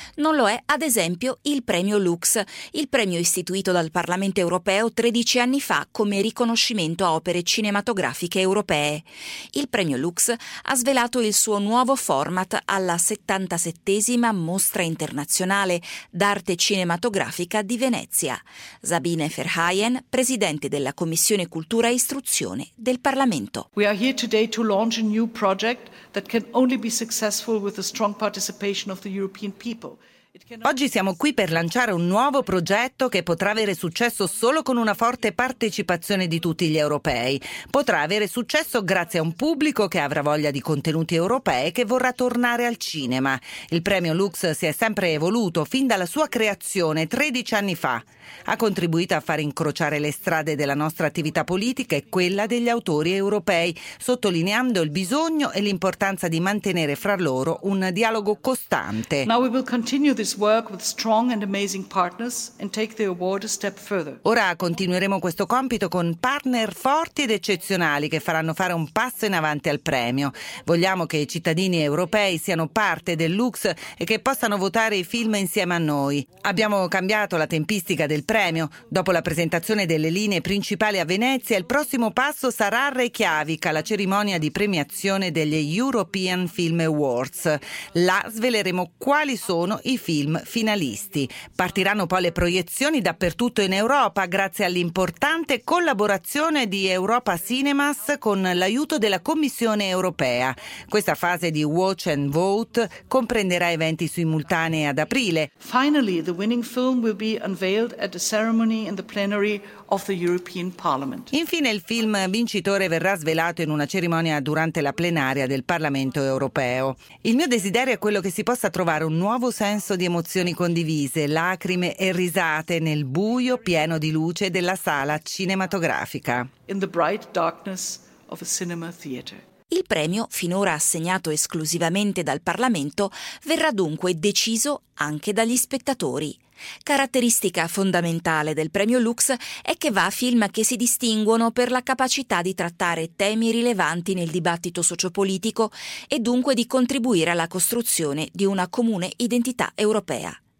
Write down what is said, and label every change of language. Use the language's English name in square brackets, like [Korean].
[Italian] Non lo è, ad esempio, il premio Lux, il premio istituito dal Parlamento europeo 13 anni fa come riconoscimento a opere cinematografiche europee. Il premio Lux ha svelato il suo nuovo format alla 77esima Mostra Internazionale d'Arte Cinematografica di Venezia. Sabine Verheyen, presidente della Commissione Cultura e Istruzione del Parlamento. [English] We are here today to launch a new project that can only be successful with the strong participation of the European people. [Italian] Oggi siamo qui per lanciare un nuovo progetto che potrà avere successo solo con una forte partecipazione di tutti gli europei. Potrà avere successo grazie a un pubblico che avrà voglia di contenuti europei e che vorrà tornare al cinema. Il premio Lux si è sempre evoluto, fin dalla sua creazione 13 anni fa. Ha contribuito a far incrociare le strade della nostra attività politica e quella degli autori europei, sottolineando il bisogno e l'importanza di mantenere fra loro un dialogo costante. [English] Now we will continue this work with strong and amazing partners and take the award a step further. [Italian] Ora continueremo questo compito con partner forti ed eccezionali che faranno fare un passo in avanti al premio. Vogliamo che i cittadini europei siano parte del Lux e che possano votare i film insieme a noi. Abbiamo cambiato la tempistica del premio. Dopo la presentazione delle linee principali a Venezia, il prossimo passo sarà a Reykjavik, la cerimonia di premiazione degli European Film Awards. Là sveleremo quali sono i film finalisti. Partiranno poi le proiezioni dappertutto in Europa grazie all'importante collaborazione di Europa Cinemas con l'aiuto della Commissione Europea. Questa fase di [English] watch and vote [Italian] comprenderà eventi simultanei ad aprile. [English] Finally, the winning film will be unveiled at a ceremony in the plenary of the European Parliament. [Italian] Infine il film vincitore verrà svelato in una cerimonia durante la plenaria del Parlamento Europeo. Il mio desiderio è quello che si possa trovare un nuovo senso di emozioni condivise, lacrime e risate nel buio pieno di luce della sala cinematografica. [English] In the bright darkness of a cinema theater. [Italian] Il premio, finora assegnato esclusivamente dal Parlamento, verrà dunque deciso anche dagli spettatori. Caratteristica fondamentale del premio Lux è che va a film che si distinguono per la capacità di trattare temi rilevanti nel dibattito sociopolitico e dunque di contribuire alla costruzione di una comune identità europea.